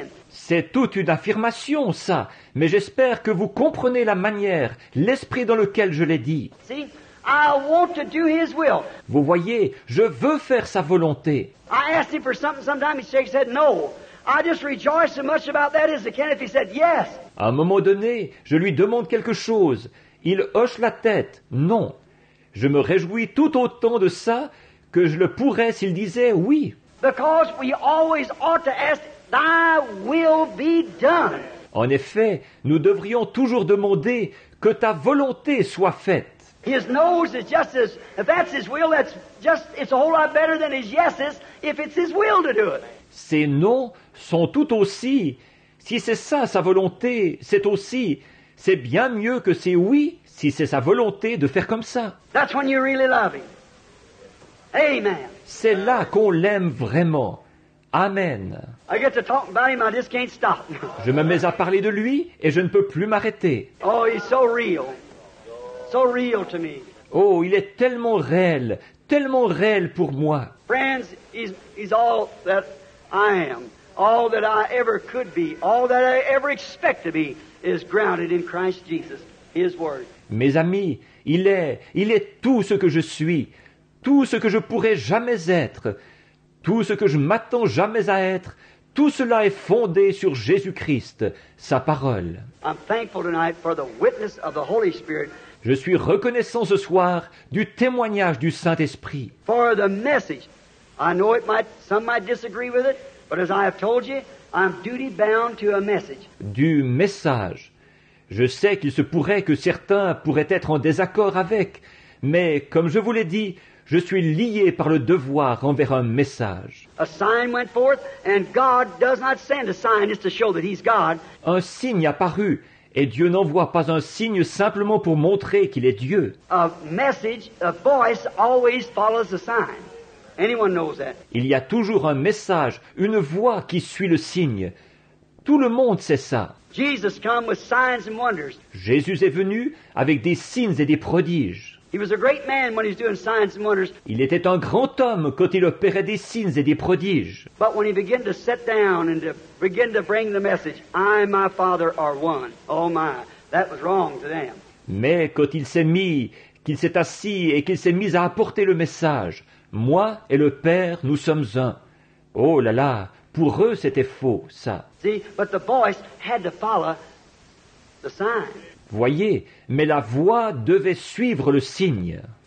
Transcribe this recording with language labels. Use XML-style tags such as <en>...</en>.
<fr>C'est toute une affirmation, ça. Mais j'espère que vous comprenez la manière, l'esprit dans lequel je l'ai dit.</fr> <en>See? I want to do his will.</en> <fr>Vous voyez, je veux faire sa volonté.</fr> <en>I asked him for something sometimes, he shakes his head, no. I just rejoice so much about that as I can if he said yes.</en> <fr>À un moment donné, je lui demande quelque chose. Il hoche la tête. Non. Je me réjouis tout autant de ça que je le pourrais s'il disait oui.</fr> <en>Because we always ought to ask, thy will be done.</en> <fr>En effet, nous devrions toujours demander que ta volonté soit faite.</fr> <en>His nose is just as, if that's his will, that's just, it's a whole lot better than his yeses if it's his will to do it.</en> <fr>Ses noms sont tout aussi, si c'est ça sa volonté, c'est aussi, c'est bien mieux que c'est oui, si c'est sa volonté de faire comme ça.</fr> <en>That's when you really love him. Amen.</en> <fr>C'est là qu'on l'aime vraiment. Amen.</fr> <en>I get to talk about him, I just can't stop.</en> <fr>Je me mets à parler de lui et je ne peux plus m'arrêter.</fr> <en>Oh, he's so real. So real to me.</en> <fr>Oh, il est tellement réel pour moi.</fr> <en>Friends, he's all that I am, all that I ever could be, all that I ever expect to be is grounded in Christ Jesus, his word.</en> <fr>Mes amis, il est tout ce que je suis, tout ce que je pourrais jamais être. Tout ce que je m'attends jamais à être, tout cela est fondé sur Jésus-Christ, sa parole.</fr> <en>I'm thankful tonight for the witness of the Holy Spirit.</en> <fr>Je suis reconnaissant ce soir du témoignage du Saint-Esprit.</fr> <en>For the message, I know it might, some might disagree with it, but as I have told you, I'm duty-bound to a message.</en> <fr>Du message. Je sais qu'il se pourrait que certains pourraient être en désaccord avec, mais comme je vous l'ai dit, je suis lié par le devoir envers un message.</fr> <en>A sign went forth, and God does not send a sign just to show that He's God.</en> <fr>Un signe apparut, et Dieu n'envoie pas un signe simplement pour montrer qu'il est Dieu.</fr> <en>A message, a voice always follows a sign. Anyone knows that?</en> <fr>Il y a toujours un message, une voix qui suit le signe. Tout le monde sait ça.</fr> <en>Jesus came with signs and wonders.</en> <fr>Jésus est venu avec des signes et des prodiges.</fr> <en>He was a great man when he was doing signs and wonders.</en> <fr>Il était un grand homme quand il opérait des signes et des prodiges.</fr> <en>But when he began to sit down and to begin to bring the message, I and my Father are one. Oh my, that was wrong to them.</en> <fr>Mais quand il s'est mis, qu'il s'est assis et qu'il s'est mis à apporter le message, moi et le Père, nous sommes un. Oh là là, pour eux c'était faux, ça.</fr> <en>See, but the voice had to follow the sign.</en> <fr>Voyez, mais la voix devait suivre le signe.</fr>